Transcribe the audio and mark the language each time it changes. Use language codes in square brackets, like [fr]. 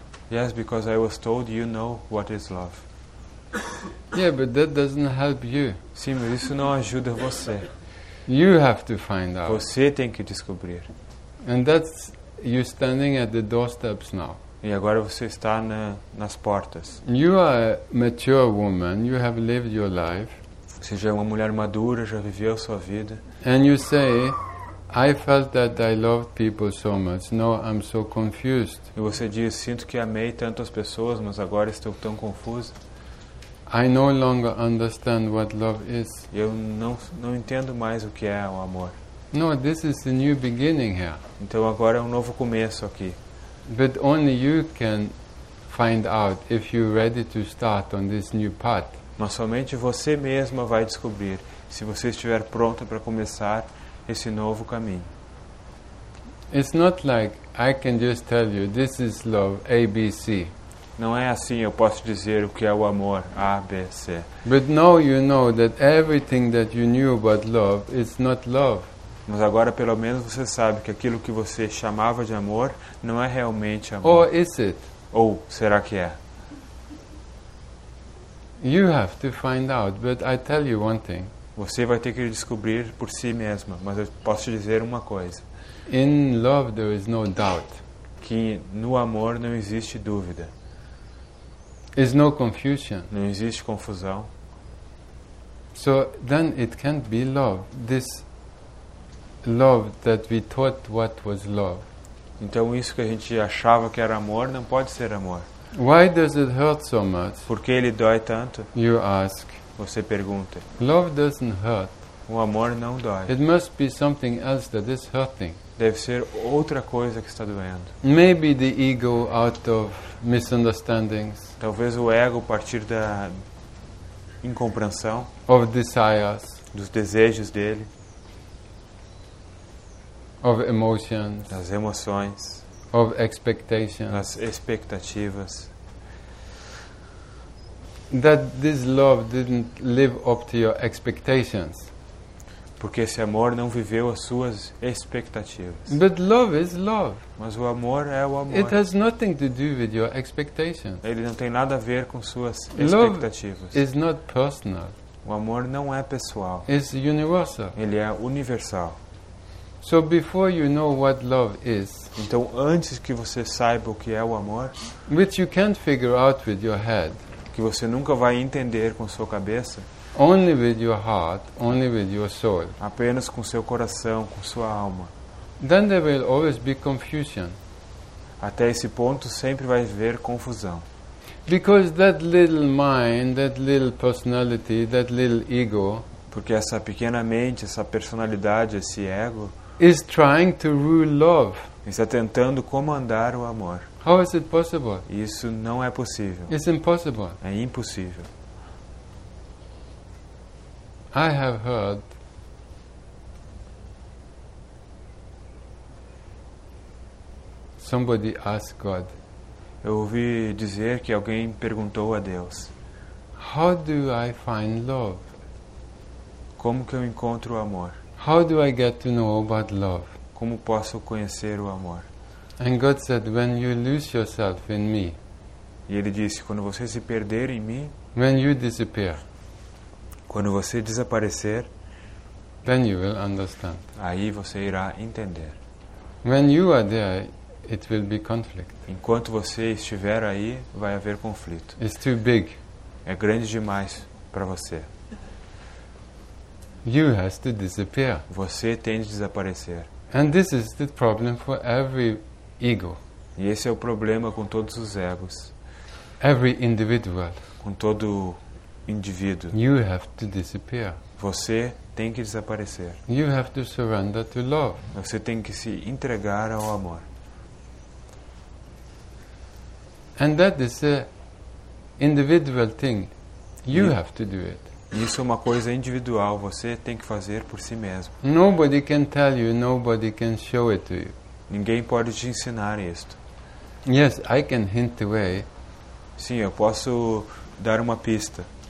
[en] Yes, because I was told you know what is love. Yeah, but that doesn't help you. [pt] Sim, mas isso não ajuda você. [en] You have to find out. [pt] Você tem que descobrir. [en] And that's you standing at the doorsteps now. [pt] E agora você está nas portas. [en] You are a mature woman. You have lived your life. [pt] Você já é uma mulher madura, já viveu sua vida. [en] And you say, I felt that I loved people so much. Now I'm so confused. [pt] E você diz, sinto que amei tantas pessoas, mas agora estou tão confusa. [en] I no longer understand what love is. [pt] Eu não entendo mais o que é o amor. [en] No, this is a new beginning here. [pt] Então agora é novo começo aqui. [en] But only you can find out if you're ready to start on this new path. [pt] Mas somente você mesma vai descobrir se você estiver pronta para começar esse novo caminho. [en] It's not like I can just tell you this is love A B C. [pt] Não é assim, eu posso dizer o que é o amor, A, B, C. [en] But now you know that everything that you knew about love is not love. [pt] Mas agora pelo menos você sabe que aquilo que você chamava de amor não é realmente amor. [en] Or is it? [pt] Ou será que é? [en] You have to find out, but I tell you one thing. [pt] Você vai ter que descobrir por si mesma, mas eu posso te dizer uma coisa. [en] In love there is no doubt. [pt] Que no amor não existe dúvida. [en] Is no confusion. [pt] Não existe confusão. [en] So then it can't be love. This love that we thought what was love. [pt] Então isso que a gente achava que era amor não pode ser amor. [en] Why does it hurt so much? [pt] Por que ele dói tanto? [en] You ask. [pt] Você pergunta. [en] Love doesn't hurt. [pt] O amor não dói. [en] It must be something else that is hurting. [pt] Deve ser outra coisa que está doendo. [en] Maybe the ego out of misunderstandings. [pt] Talvez o ego a partir da incompreensão. [en] Of desires. [pt] Dos desejos dele. [en] Of emotions. [pt] Das emoções. [en] Of expectations. [pt] Das expectativas. [en] That this love didn't live up to your expectations. [pt] Porque esse amor não viveu as suas expectativas. [en] But love is love. [pt] Mas o amor é o amor. [en] It has nothing to do with your expectations. [pt] Ele não tem nada a ver com suas expectativas. [en] Love is not personal. [pt] O amor não é pessoal. [en] It's universal. [pt] Ele é universal. [en] So before you know what love is, [pt] então antes que você saiba o que é o amor, [en] which you can't figure out with your head, [pt] que você nunca vai entender com sua cabeça, [en] only with your heart, only with your soul, [pt] apenas com seu coração, com sua alma, [en] then there will always be confusion. [pt] Até esse ponto sempre vai haver confusão. [en] Because that little mind, that little personality, that little ego, [pt] porque essa pequena mente, essa personalidade, esse ego, [en] is trying to rule love. [pt] Está tentando comandar o amor. [en] How is it possible? [pt] Isso não é possível. [en] It's impossible. [pt] É impossível. [en] I have heard somebody ask God. [pt] Eu ouvi dizer que alguém perguntou a Deus. [en] How do I find love? [pt] Como que eu encontro o amor? [en] How do I get to know about love? [pt] Como posso conhecer o amor? [en] And God said, when you lose yourself in me. [pt] E ele disse, quando você se perder em mim. [en] When you disappear. [pt] Quando você desaparecer, [en] then you will understand. [pt] Aí você irá entender. [en] When you are there, it will be conflict. [pt] Enquanto você estiver aí, vai haver conflito. [en] It's too big. [pt] É grande demais para você. [en] You have to disappear. [pt] Você tem de desaparecer. [en] And this is the problem for every ego. [pt] E esse é o problema com todos os egos. [en] Every individual. [pt] Com todo indivíduo. [en] You have to disappear. [pt] Você tem que desaparecer. [en] You have to surrender to love. [pt] Você tem que se entregar ao amor. [en] And that is a individual thing. You have to do it. [pt] Isso é uma coisa individual, você tem que fazer por si mesmo. [en] Nobody can tell you, nobody can show it to you. [pt] Ninguém pode te ensinar isto. [en] Yes, I can hint the way. [pt] Sim, eu posso dar uma pista.